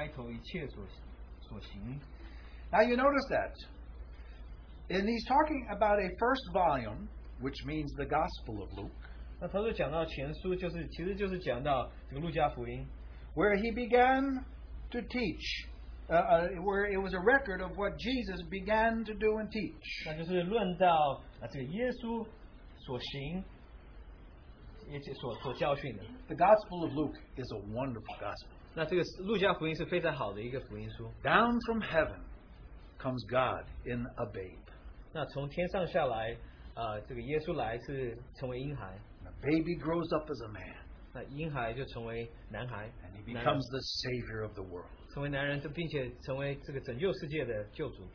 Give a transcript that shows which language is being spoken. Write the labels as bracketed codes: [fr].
[zh] 提阿非罗啊,提阿非罗罗啊,我已经做了前书,论到耶稣开头一切所行。 [en] Now you notice that, and he's talking about a first volume, which means the Gospel of Luke, where he began to teach, where it was a record of what Jesus began to do and teach. The Gospel of Luke is a wonderful gospel. Down from heaven comes God in a babe. [zh] 那从天上下来, 这个耶稣来是成为婴孩。 [en] Baby grows up as a man. [zh] 那婴孩就成为男孩, [en] and he becomes the savior of the world. [zh] 成为男人,并且成为这个拯救世界的救主。